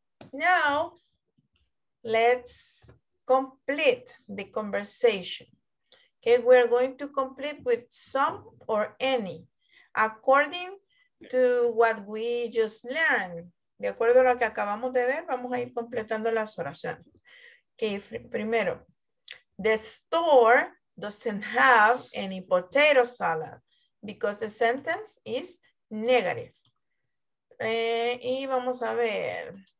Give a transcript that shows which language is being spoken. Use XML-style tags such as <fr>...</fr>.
<en>Now, let's complete the conversation. Okay, we're going to complete with some or any, according to what we just learned.</en> <es>De acuerdo a lo que acabamos de ver, vamos a ir completando las oraciones.</es> <en>Okay,</en> <es>primero,</es> <en>the store doesn't have any potato salad because the sentence is negative.</en> <es>Y vamos a ver.</es>